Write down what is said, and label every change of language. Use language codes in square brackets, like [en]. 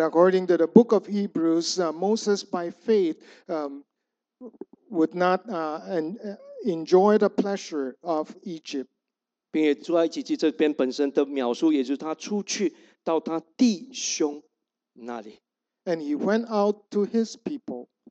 [en] according to the book of Hebrews, Moses by faith would not enjoy the pleasure of Egypt. [zh] 并且出埃及记这边本身的描述，也就是他出去到他弟兄那里。 [en] And he went out to his people.